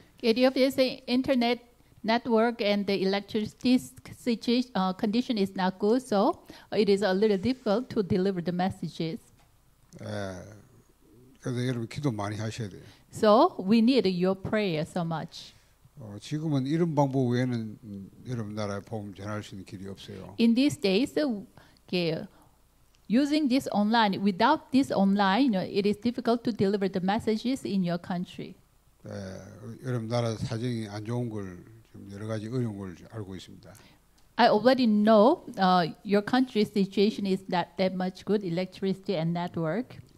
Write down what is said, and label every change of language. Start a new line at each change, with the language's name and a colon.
English: Ethiopia is the internet network and the electricity condition is not good, so it is a little difficult to deliver the messages.
Korean: 예, 그래서 여러분 기도 많이 하셔야 돼요.
English: So we need your prayer so much.
Korean: 지금은 이런 방법 외에는 여러분 나라에 복음 전할 수 있는 길이 없어요.
English: In these days, using this online, without this online, it is difficult to deliver the messages in your country.
Korean: 예, 여러분 나라 사정이 안 좋은 걸 좀 여러 가지 어려운 걸 알고 있습니다.
English: I already know your country's situation is not that much good electricity and network.